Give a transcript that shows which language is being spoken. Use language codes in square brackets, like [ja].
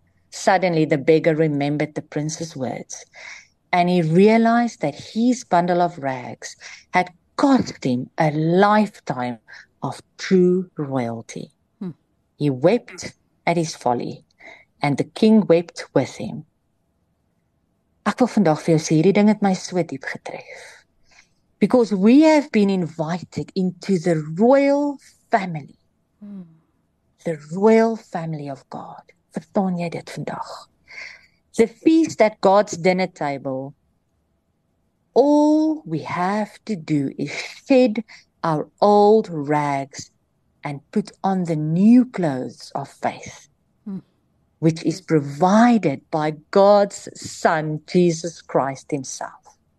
[en] Suddenly, the beggar remembered the prince's words, and he realized that his bundle of rags had cost him a lifetime of true royalty. He wept at his folly, and the king wept with him. [af] Ek wil vandag vir jou sê, hierdie ding het my so diep getref. [en] Because we have been invited into the royal family. The royal family of God. [af] Verstaan jy dit vandag? [en] The feast at God's dinner table. All we have to do is shed our old rags and put on the new clothes of faith, which is provided by God's Son, Jesus Christ himself.